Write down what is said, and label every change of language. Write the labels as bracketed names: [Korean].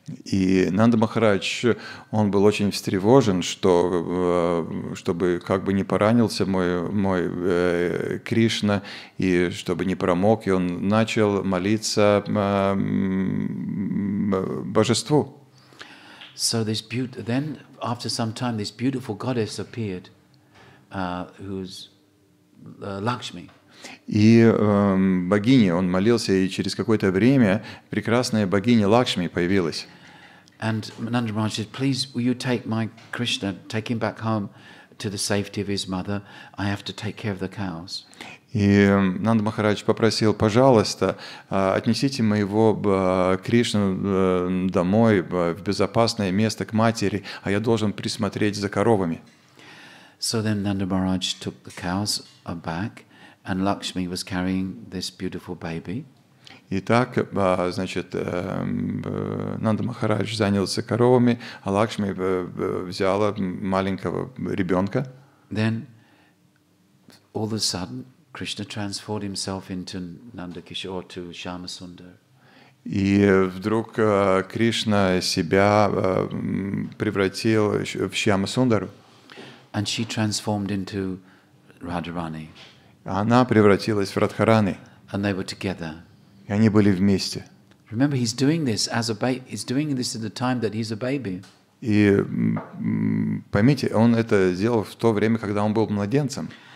[Russian] И Нанда Махарадж, он был очень встревожен, что чтобы как бы не поранился мой Кришна, и чтобы не промок, и он начал молиться божеству. [English] So this then after some time, this beautiful goddess appeared, who's Лакшми. [Russian] И богиня, он молился, и через какое-то время прекрасная богиня Лакшми появилась. [English] And Nanda Maharaj said, "Please, will you take my Krishna, take him back home to the safety of his mother? I have to take care of the cows." [Russian] И Нанда Махарадж попросил: "Пожалуйста, отнесите моего Кришну домой в безопасное место к матери, а я должен присмотреть за коровами." [English] So then Nanda Maharaj took the cows back, and Lakshmi was carrying this beautiful baby. [Russian] Итак, значит, Нанда Махарадж занялся коровами, а Лакшми взяла маленького ребенка. [English] Then all of a sudden Krishna transformed himself into Nanda Kishore, to Shama Sundar. [Russian] И вдруг Кришна себя превратил в Шьяма Сундару. [English] And she transformed into Radharani. [Russian] Она превратилась в Радхарани. [English] And they were together. [Russian] И они были вместе. [English] Remember, he's doing this as a baby. He's doing this at the time that he's a baby. [Russian] И поймите, он это сделал в то время, когда он был младенцем.